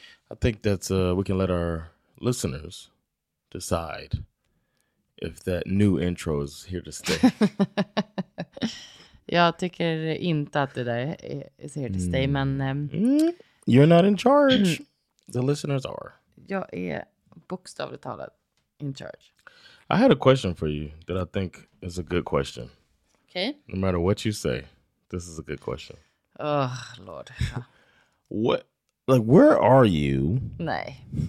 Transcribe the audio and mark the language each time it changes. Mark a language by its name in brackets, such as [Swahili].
[English] I think that's we can let our listeners decide if that new intro is here to stay. [Swedish] Jag tycker inte att det där [English] is here to stay, [Swedish] men [English] you're not in charge. The listeners are. [Swedish] Jag är bokstavligt talat [English] in charge. I had a question for you that I think is a good question. Okay. No matter what you say, this is a good question. Oh, Lord. What? Like, where are you? [Swedish] Nej.